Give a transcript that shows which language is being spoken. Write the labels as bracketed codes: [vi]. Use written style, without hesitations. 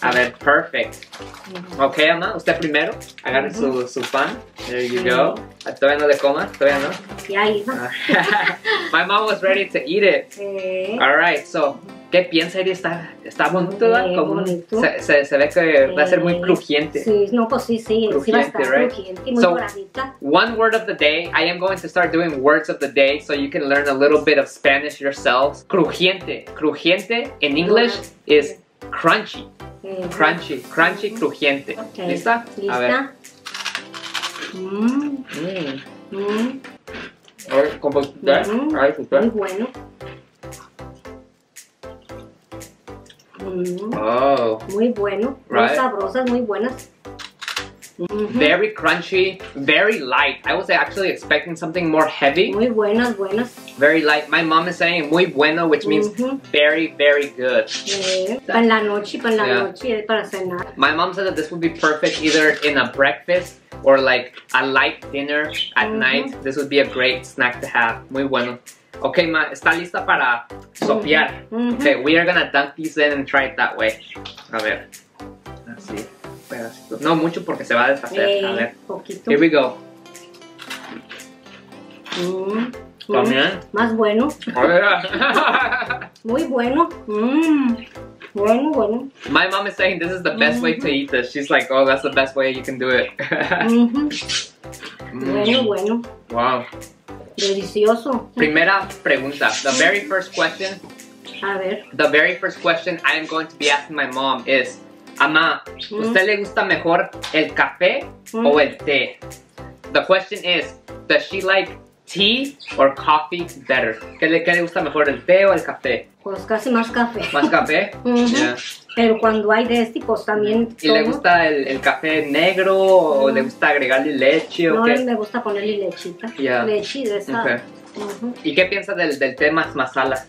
[es] A ver, [en] perfect. [es] Mm-hmm. Ok, Ana, usted primero. Agarre su pan. [en] There you go. [es] Todavía no le coma, todavía no. Ya hizo. [en] My mom was ready to eat it. Alright, so, [es] ¿qué piensa? Está bonito, ¿verdad? Como bonito. Se ve que va a ser muy crujiente. Sí, no, pues sí. Crujiente, sí va a estar, [en] right? [es] Crujiente, muy doradita. [en] So, one word of the day. I am going to start doing words of the day so you can learn a little bit of Spanish yourselves. Crujiente. Crujiente in English is crunchy. Crunchy. Crunchy, crujiente. Okay. [es] ¿Lista? Lista. A ver. A ver, ¿cómo está? Ay, súper. Muy bueno. Oh. Muy bueno. [en] Right. [es] Muy sabrosas, muy buenas. [en] Very crunchy, very light. I was actually expecting something more heavy. [es] Muy buenas, buenas. [en] Very light. My mom is saying [es] muy bueno, [en] which means very, very good. [es] Para la noche, para la noche, para cenar. [en] My mom said that this would be perfect either in a breakfast or like a light dinner at night. This would be a great snack to have. [es] Muy bueno. [en] Okay, ma, [es] está lista para sopear. [en] Okay, we are gonna dunk these in and try it that way. [es] A ver. Así. No mucho porque se va a deshacer. A ver. Poquito. [en] Here we go. [es] También. Más bueno. [en] Oh, yeah. [es] Muy bueno. Bueno, bueno. [en] My mom is saying this is the best way to eat this. She's like, oh, that's the best way you can do it. [es] Bueno, bueno. [en] Wow. [es] Delicioso. Primera pregunta. [en] The very first question. [es] A ver. [en] The very first question I am going to be asking my mom is, Ama, [es] ¿usted le gusta mejor el café o el té? [en] The question is, does she like tea or coffee better? [es] ¿Qué le gusta mejor, el té o el café? Pues casi más café. ¿Más café? Yeah. Pero cuando hay de este, pues también ¿Y tomo? ¿Le gusta el café negro o le gusta agregarle leche o no, qué? No, me gusta ponerle lechita. [en] Yeah. [es] Leche de esa. Okay. ¿Y qué piensa del té más masala?